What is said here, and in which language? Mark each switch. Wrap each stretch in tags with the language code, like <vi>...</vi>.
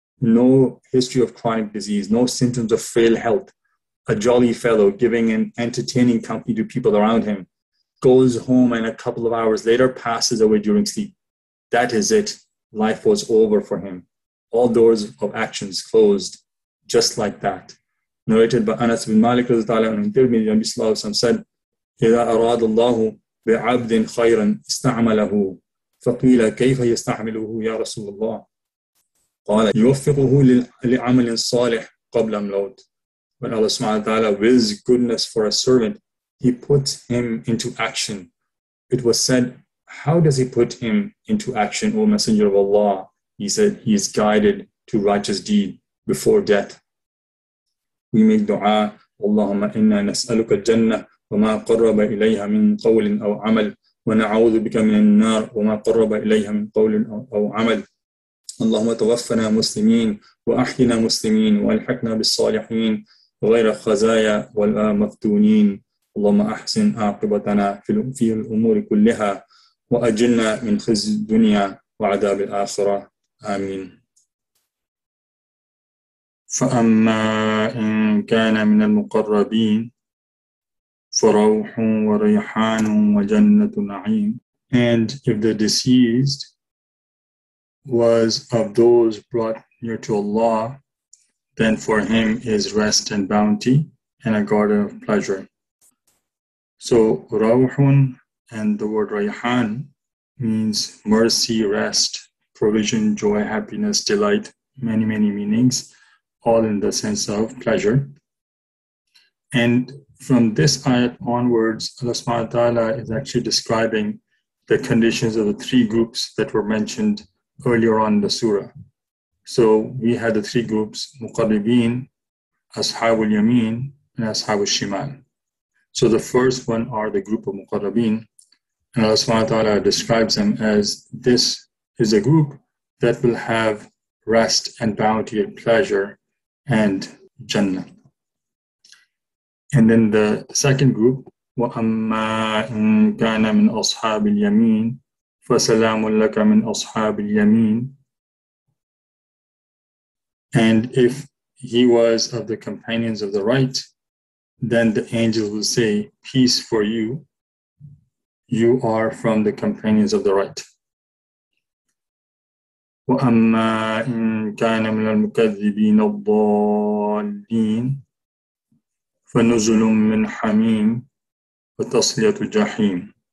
<en>No history of chronic disease, no symptoms of frail health. A jolly fellow giving an entertaining company to people around him, goes home and a couple of hours later passes away during sleep. That is it. Life was over for him. All doors of actions closed just like that. Narrated by Anas bin Malik and Tirmidhi, Nabi Sallallahu Alaihi Wasallam said,</en> <ar>إِذَا أَرَادَ اللَّهُ بِعَبْدٍ خَيْرًا إِسْتَعْمَلَهُ فَقِيلَ كَيْفَ يَسْتَعْمِلُهُ يَا رَسُولَ اللَّهُ قَالَ يُوَفِّقُهُ لِعَمَلٍ صَالِحٍ قَبْلَ مَوْتِهِ.</ar> <en>When Allah subhanahu wa ta'ala, with goodness for a servant, he puts him into action. It was said, how does he put him into action, O Messenger of Allah? He said, he is guided to righteous deed before death.</en> <ar>We make dua, Allahumma inna nas'aluka jannah wa ma qarraba ilayha min qawlin aw amal wa na'udhu bika min an-nar wa ma qarraba ilayha min qawlin aw amal. Allahumma tawaffana muslimin wa ahyina muslimin wa alhaqna bis-salihin غير خزايا والمفتونين اللهم أحسن عاقبتنا في الأمور كلها وأجلنا من خزي الدنيا وعذاب الآخرة آمين. فأما إن كان من المقربين فروح وريحان وجنة نعيم.</ar> <en>And if the deceased was of those brought near to Allah, then for him is rest and bounty and a garden of pleasure. So rawhun, and the word rayhan, means mercy, rest, provision, joy, happiness, delight, many, many meanings, all in the sense of pleasure. And from this ayat onwards, Allah subhanahu wa ta'ala is actually describing the conditions of the three groups that were mentioned earlier on in the surah. So we had the three groups, Muqarribin, Ashab al-Yameen, and Ashab al-Shimal. So the first one are the group of Muqarribin, and Allah subhanahu wa ta'ala describes them as, this is a group that will have rest and bounty and pleasure and Jannah. And then the second group,</en> <ar>وَأَمَّا إِن كَانَ مِنْ أَصْحَابِ الْيَمِينَ فَسَلَامٌ لَكَ مِنْ أَصْحَابِ الْيَمِينَ.</ar> <en>And if he was of the companions of the right, then the angels will say, peace for you. You are from the companions of the right.</en> <ar>وَأَمَّا إِنْ كَانَ مِنَ الْمُكَذِّبِينَ الضَّالِّينَ فَنُزُلٌ مِّنْ حَمِيمٍ وَتَصْلِيَةُ جَحِيمٍ.</ar>